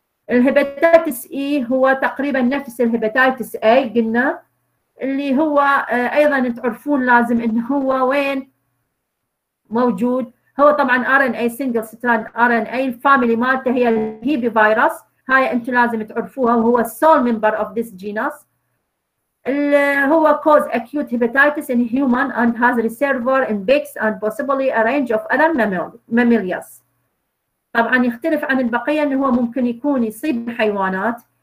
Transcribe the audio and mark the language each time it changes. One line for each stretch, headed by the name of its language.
Arabic: الهيباتيتس اي هو تقريبا نفس الهيباتيتس اي قلنا، اللي هو ايضا تعرفون لازم ان هو وين موجود. هو طبعا RNA single strand RNA family مالته هي الهيبا فيروس، هاي انتم لازم تعرفوها، وهو
English: sole member of this genus.
Arabic: هو
English: cause acute hepatitis in human and has reservoir in pigs and possibly a range of other mammals.
Arabic: طبعا يختلف عن البقيه انه هو ممكن يكون يصيب حيوانات.